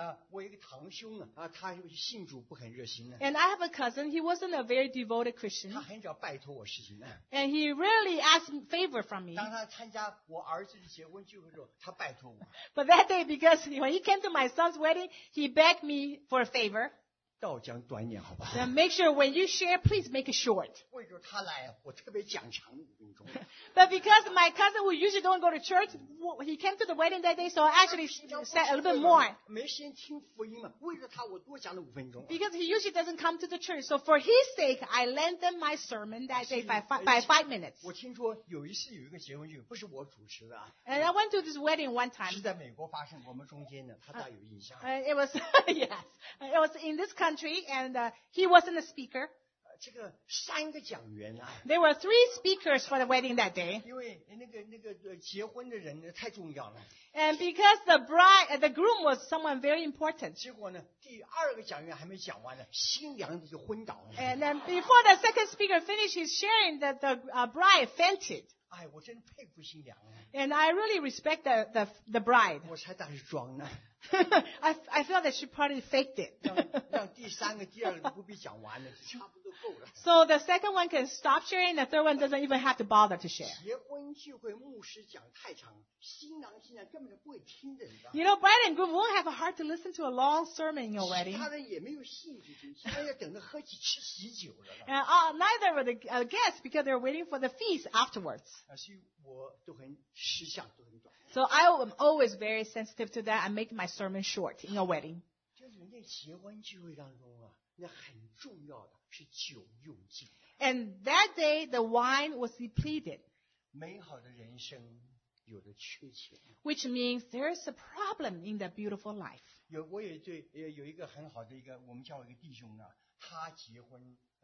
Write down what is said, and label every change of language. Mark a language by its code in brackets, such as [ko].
[zh] 我一个堂兄啊，他信主不很热心的。And [en] I have a cousin. He wasn't a very devoted Christian. [zh] 他很少拜托我事情的。And [en] he rarely asked favor from me. [zh] 当他参加我儿子的结婚聚会的时候，他拜托我。But [en] that day, because when he came to my son's wedding, he begged me for a favor. [zh] 道讲短点好吧。 [en] Then make sure when you share, please make it short. [zh] 为什么他来，我特别讲长五分钟。 [en] But because my cousin who usually don't go to church, he came to the wedding that day, so I actually said a little bit more. [zh] 没时间听福音嘛，为了他我多讲了五分钟。 [en] Because he usually doesn't come to the church, so for his sake, I lengthened my sermon that day by five minutes. [zh] 我听说有一次有一个结婚聚，不是我主持的啊。 [en] And I went to this wedding one time. [zh] 是在美国发生，我们中间的，他大有印象。 [en] It was yes, it was in this country, and he wasn't a speaker. [zh] 这个三个讲员啊。 [en] There were three speakers for the wedding that day. [zh] 因为那个结婚的人太重要了。 [en] And because the groom was someone very important. [zh] 结果呢，第二个讲员还没讲完呢，新娘子就昏倒了。 [en] And then before the second speaker finished his sharing, the bride fainted. [zh] 哎，我真佩服新娘啊。 [en] And I really respect the bride. [zh] 我猜她是装的。 [en] I feel that she probably faked it. [zh] 让第三个、第二个不必讲完了，差不多够了。 [en] So the second one can stop sharing, the third one doesn't even have to bother to share. [zh] 结婚聚会牧师讲太长，新郎新娘根本就不会听的。 [en] You know, bride and groom won't have a heart to listen to a long sermon in your wedding. [zh] 其他人也没有兴趣听，他要等着喝起吃喜酒了。 [en] And neither were the guests because they're waiting for the feast afterwards. [zh] 所以我都很识相，都很短。 [en] So I am always very sensitive to that. I make my sermon short in a wedding. [zh] 就是在结婚聚会当中啊，那很重要的是酒用尽。 [en] And that day, the wine was depleted. [zh] 美好的人生有的缺钱。 [en] Which means there is a problem in the beautiful life. [zh] 我有一个很好的一个我们教会一个弟兄啊，他结婚。